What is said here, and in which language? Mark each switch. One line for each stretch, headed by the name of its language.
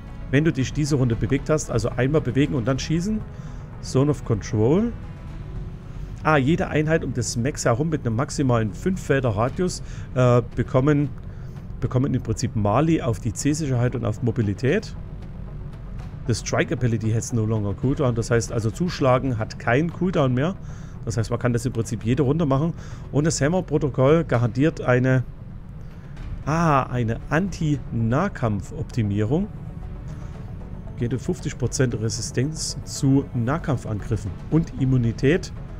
German: Wenn du dich diese Runde bewegt hast, also einmal bewegen und dann schießen. Zone of Control. Ah, jede Einheit um das Max herum mit einem maximalen 5 Felder Radius bekommen im Prinzip Mali auf die C-Sicherheit und auf Mobilität.
English: The Strike Ability has no longer cooldown.
German: Das heißt also, zuschlagen hat keinen Cooldown mehr. Das heißt, man kann das im Prinzip jede Runde machen. Und das Hammer-Protokoll garantiert eine Anti-Nahkampf-Optimierung. Geht 50% Resistenz zu Nahkampfangriffen. Und Immunität